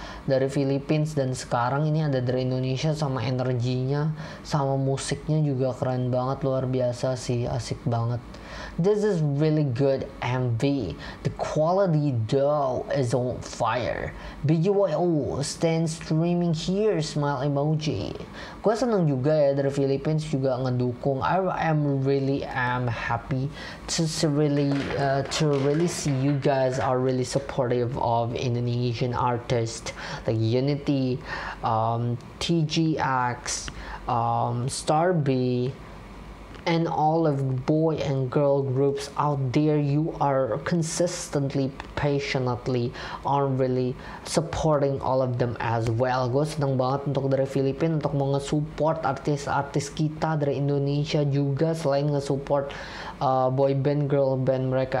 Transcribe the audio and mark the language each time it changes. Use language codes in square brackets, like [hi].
[id] Dari Philippines dan sekarang ini ada dari Indonesia, sama energinya, sama musiknya juga keren banget. Luar biasa sih. Asik banget. [en] This is really good MV. The quality though is on fire. BGYO stand streaming here, smile emoji. [id] Gua seneng juga ya dari Philippines juga ngedukung. [en] I am really happy to really see you guys are really supportive of Indonesian artists like Unity, TGX, StarBe. And all of boy and girl groups out there, you are consistently, passionately, are really supporting all of them as well. [id] Gue seneng banget untuk dari Filipina untuk mau nge-support artis-artis kita dari Indonesia juga, selain nge-support boy band, girl band mereka.